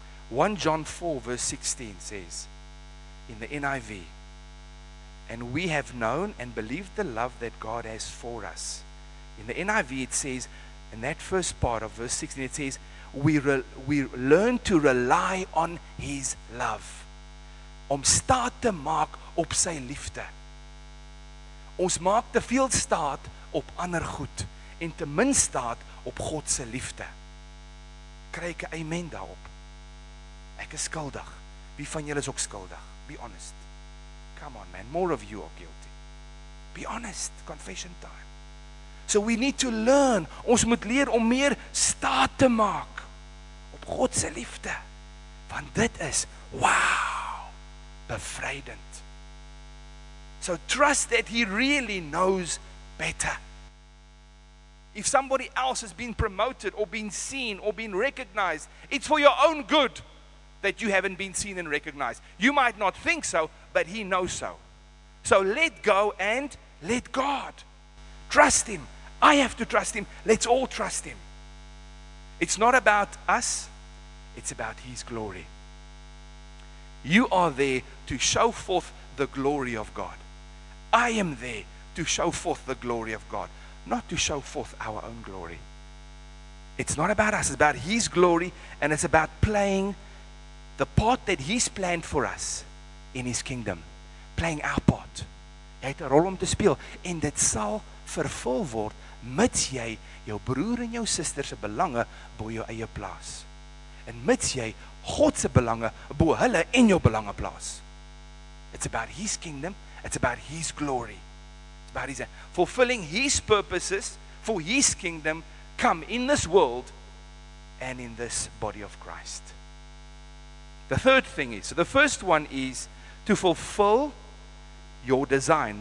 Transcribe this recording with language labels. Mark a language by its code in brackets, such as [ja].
[en] 1 John 4 verse 16 says, in the NIV, and we have known and believed the love that God has for us. In the NIV it says, in that first part of verse 16 it says, we learn to rely on His love. [af] Om staat te maak op sy liefde. Ons maak te veel staat op ander goed en te min staat op God se liefde. Kry ek 'n amen daarop? Ek is skuldig. Wie van julle is ook skuldig? [en] Be honest. Come on man, more of you are guilty. Be honest, confession time. So we need to learn. [af] Ons moet leer om meer staat te maak op God se liefde. Want dit is wow, bevrydend. [en] So trust that He really knows better. If somebody else has been promoted or been seen or been recognized, it's for your own good that you haven't been seen and recognized. You might not think so, but He knows so. So let go and let God. Trust Him. I have to trust Him. Let's all trust Him. It's not about us. It's about His glory. You are there to show forth the glory of God. I am there to show forth the glory of God, not to show forth our own glory. It's not about us, it's about His glory, and it's about playing the part that He's planned for us in His kingdom, playing our part. [af] Jy het 'n rol om te speel, en dit sal vervul word, mits jy jou broer en jou suster se belange bo jou eie plaas, en mits jy God se belange bo hulle en jou belange plaas. [en] It's about His kingdom. It's about His glory. It's about His fulfilling His purposes for His kingdom come in this world and in this body of Christ. The third thing is, so the first one is to fulfill your design.